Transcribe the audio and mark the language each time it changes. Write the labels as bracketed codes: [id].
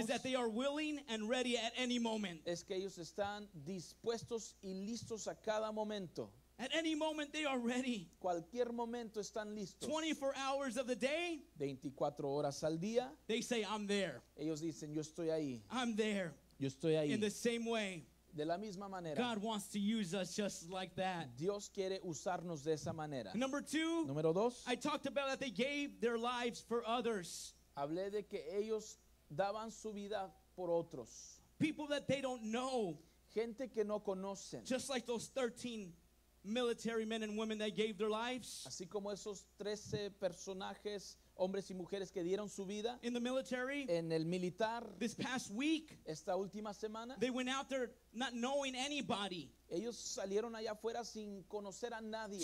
[en] Is that they are willing and ready at any moment. [es] Es que ellos están dispuestos y listos a cada momento. [en] At any moment they are ready. [es] Cualquier momento están listos. [en] 24 hours of the day. [es] 24 horas al día. [en] They say, I'm there. [es] Ellos dicen, yo estoy ahí. [en] I'm there. [es] Yo estoy ahí. [en] In the same way, [es] de la misma manera, [en] God wants to use us just like that. [es] Dios quiere usarnos de esa manera. [en] Number two, [es] número dos, [en] I talked about that they gave their lives for others. [es] Hablé de que ellos daban su vida por otros. [en] People that they don't know. [es] Gente que no conocen. [en] Just like those 13 military men and women that gave their lives. [es] Así como esos 13 personajes, hombres y mujeres que dieron su vida. [en] In the military. [es] En el militar. [en] This past week. [es] Esta última semana. [en] They went out there not knowing anybody. [es] Ellos salieron allá afuera sin conocer a nadie.